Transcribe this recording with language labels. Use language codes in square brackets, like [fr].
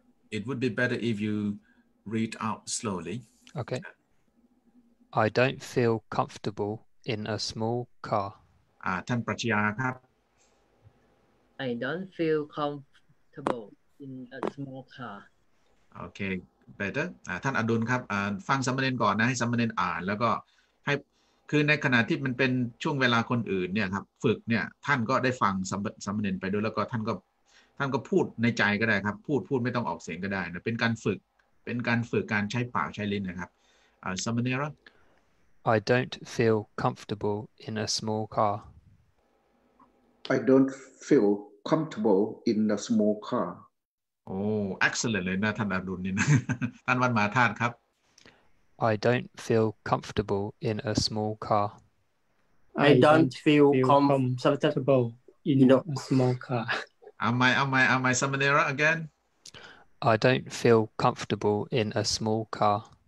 [en] It would be better if you read out slowly. Okay. I don't feel comfortable in a small car. [th] ท่านปรัชญาครับ [en] I don't feel comfortable in a small car. Okay. [th] Better ท่านอดุลครับฟังสามเณรก่อนนะให้สามเณรอ่านแล้วก็ให้คือในขณะที่มันเป็นช่วงเวลาคนอื่นเนี่ยครับฝึกเนี่ยท่านก็ได้ฟังสามเณรไปด้วยแล้วก็ท่านก็พูดในใจก็ได้ครับพูดไม่ต้องออกเสียงก็ได้นะเป็นการฝึกการใช้ปากใช้ลิ้นนะครับสามเณร [en] I don't feel comfortable in a small car I don't feel comfortable in a small car [th] โอ้ excellent เลยนะท่านอดุลนี่นะท่านวันมาธาตุครับ [en] I don't feel comfortable in a small car. I don't feel comfortable in a small car. Am I Samanera again? I don't feel comfortable in a small car.